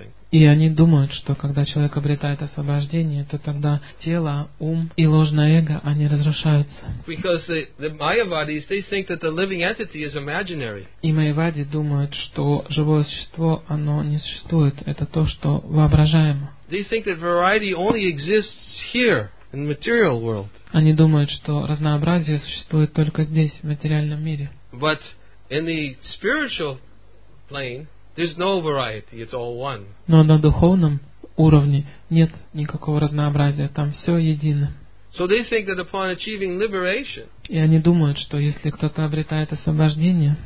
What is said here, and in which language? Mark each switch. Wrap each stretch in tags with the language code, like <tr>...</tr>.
<ru>И они думают, что когда человек обретает освобождение, то тогда тело, ум и ложное эго, они разрушаются. И майявади думают, что живое существо, оно не существует. Это то, что воображается.</ru> <en>They think that variety only exists here in the material world.</en> <ru>Они думают, что разнообразие существует только здесь, в материальном мире.</ru> <en>But in the spiritual plane, there's no variety, it's all one.</en> <ru>Но на духовном уровне нет никакого разнообразия, там все едино.</ru> <en>So they think that upon achieving liberation,</en> <ru>и они думают, что если кто-то обретает освобождение,</ru>